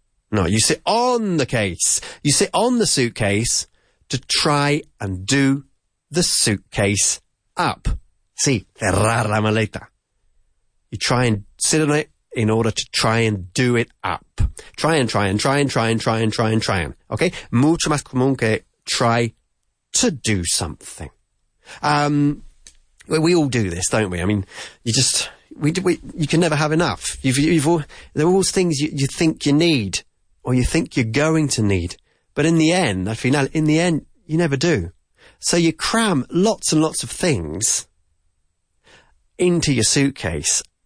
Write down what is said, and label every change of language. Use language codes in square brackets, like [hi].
[en] No, you sit on the case. You sit on the suitcase to try and do the suitcase up. [es] Sí, cerrar la maleta. [en] You try and sit on it in order to try and do it up. Try and try and try and try and try and try and try and. Okay? [es] Mucho más común que [en] try to do something. We all do this, don't we? I mean, you just, you can never have enough. There are always things you think you need or you think you're going to need. But in the end, [es] al final, [en] in the end, you never do. So you cram lots and lots of things into your suitcase.